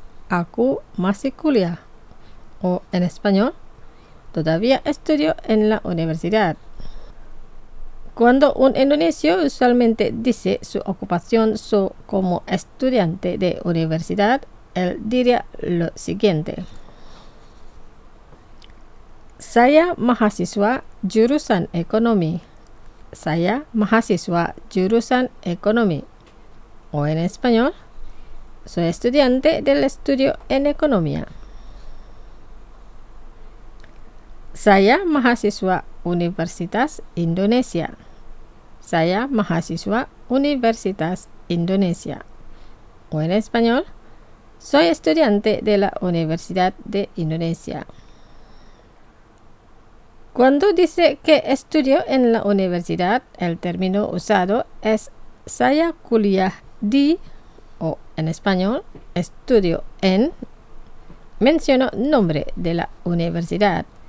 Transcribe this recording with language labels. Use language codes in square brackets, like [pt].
[id] Aku masih kuliah. [es] O en español, todavía estudio en la universidad. Cuando un indonesio usualmente dice su ocupación como estudiante de universidad, él diría lo siguiente. [id] Saya mahasiswa jurusan ekonomi. Saya mahasiswa jurusan ekonomi. [es] O en español, soy estudiante del estudio en economía. [id] Saya mahasiswa Universitas Indonesia. Saya mahasiswa Universitas Indonesia. [es] O en español, soy estudiante de la Universidad de Indonesia. Cuando dice que estudio en la universidad, el término usado es [id] saya kuliah di [es] o en español, estudio en, menciono nombre de la universidad.